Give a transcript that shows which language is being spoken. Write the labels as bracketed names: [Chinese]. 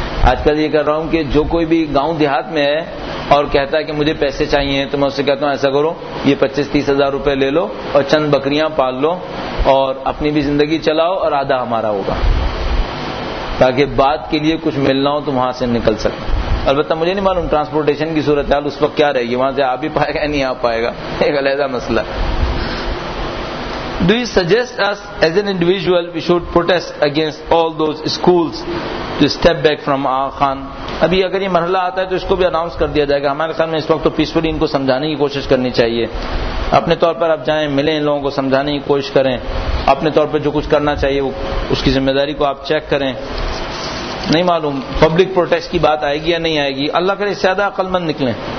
[Urdu] آج کل یہ کر رہا ہوں کہ جو کوئی بھی گاؤں دیہات میں ہے اور کہتا ہے کہ مجھے پیسے چاہیے تو میں اسے کہتا ہوں ایسا کرو یہ 25-30 ہزار روپے لے لو اور چند بکریاں پال لو اور اپنی بھی زندگی چلاؤ اور آدھا ہمارا ہوگا، تاکہ بات کے لیے کچھ ملنا ہو تو وہاں سے نکل سکے. البتہ مجھے نہیں معلوم ٹرانسپورٹیشن کی صورتحال اس وقت کیا رہے گی، وہاں سے آ بھی پائے گا نہیں آ پائے گا، ایک علیحدہ مسئلہ. [English] Do you suggest us as an individual we should protest against all those schools to step back from our Khan? [Urdu] ابھی اگر یہ مرحلہ آتا ہے تو اس کو بھی اناؤنس کر دیا جائے گا. ہمارے خیال میں اس وقت تو پیسفلی ان کو سمجھانے کی کوشش کرنی چاہیے. اپنے طور پر آپ جائیں ملیں ان لوگوں کو، سمجھانے کی کوشش کریں، اپنے طور پر جو کچھ کرنا چاہیے اس کی ذمہ داری کو آپ چیک کریں. نہیں معلوم پبلک پروٹیسٹ کی بات آئے گی یا نہیں آئے گی، اللہ کرے زیادہ عقل مند نکلیں.